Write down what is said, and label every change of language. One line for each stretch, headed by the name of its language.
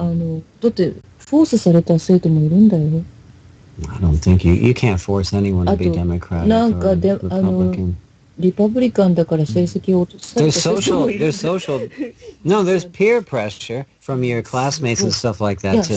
Japanese: フォースされた生徒もいるんだよ。
English: I don't think you can't force anyone to be Democrat or Republican.
Japanese: なんかリパブリカンだから成績を落とした。
English: There's social. No, there's peer pressure from your classmates and stuff like that too.